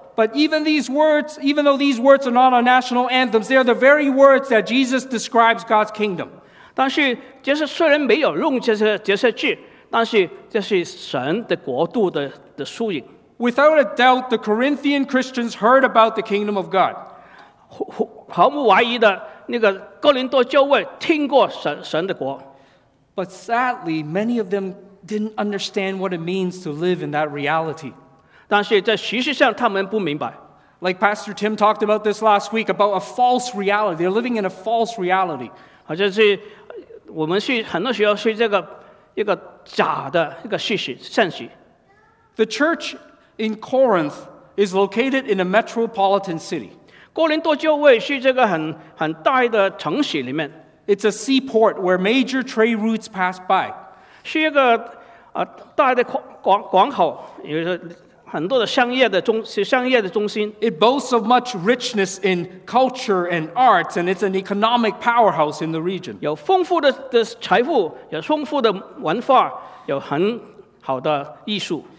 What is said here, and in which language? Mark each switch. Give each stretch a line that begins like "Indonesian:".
English: But even these words, even though these words are not on national anthems, they are the very words that Jesus describes God's kingdom.
Chinese: 但是虽然没有用这些句，但是这是神的国度的缩影。
English: Without a doubt, the Corinthian Christians heard about the kingdom of God.
Chinese: 毫无怀疑的，那个哥林多教会听过神的国。
English: But sadly, many of them didn't understand what it means to live in that reality.
Chinese: 但是在实际上他们不明白。
English: Like Pastor Tim talked about this last week, about a false reality. They're living in a false reality.
Chinese: 好像是我们是很多时候是这个一个假的一个事实现实。
English: The church in Corinth is located in a metropolitan city.
Chinese: 哥林多教会是这个很大的城市里面。
English: It's a seaport where major trade routes pass by.
Chinese: 是一个大的广口，有很多的商业的中心。
English: It boasts of much richness in culture and arts, and it's an economic powerhouse in the region.
Chinese: 有丰富的财富，有丰富的文化，有很好的艺术。